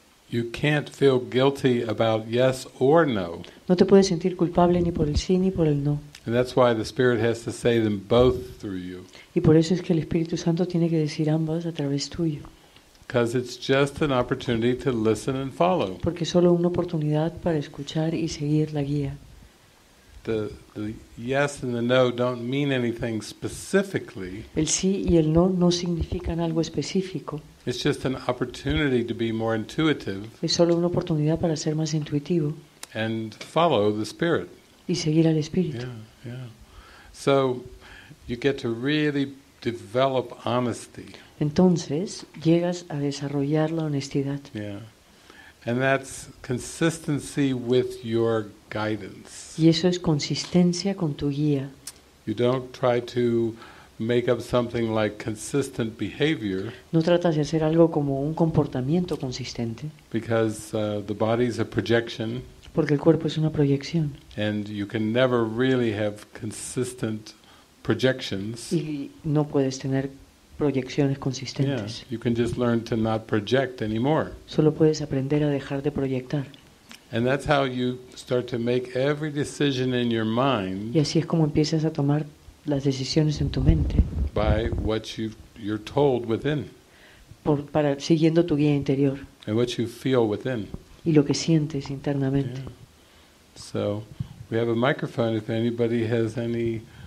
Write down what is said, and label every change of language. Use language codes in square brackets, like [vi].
[en] You can't feel guilty about yes or no. [es] No te puedes sentir culpable ni por el sí ni por el no. [en] And that's why the Spirit has to say them both through you. [es] Y por eso es que el Espíritu Santo tiene que decir ambas a través tuyo. [en] Because it's just an opportunity to listen and follow. [es] Porque solo una oportunidad para escuchar y seguir la guía. [en] The yes and the no don't mean anything specifically. [es] El sí y el no no significan algo específico. [en] It's just an opportunity to be more intuitive. [es] Es solo una oportunidad para ser más intuitivo. [en] And follow the Spirit. [es] Y seguir al Espíritu. [en] So you get to really develop honesty. [es] Entonces llegas a desarrollar la honestidad. [en] Yeah. And that's consistency with your guidance. [es] Y eso es consistencia con tu guía. [en] You don't try to make up something like consistent behavior. [es] No tratas de hacer algo como un comportamiento consistente. [en] Because the body is a projection. [es] Porque el cuerpo es una proyección. [en] And you can never really have consistent projections. [es] Y no puedes tener proyecciones consistentes. [en] Yeah, you can just learn to not project anymore. [es] Solo puedes aprender a dejar de proyectar. [en] And that's how you start to make every decision in your mind. [es] Y así es como empiezas a tomar las decisiones en tu mente. [en] By what you're told within. [es] Para siguiendo tu guía interior. [en] And what you feel within. [es] Y lo que sientes internamente. [en] Yeah. So, we have a microphone if anybody has any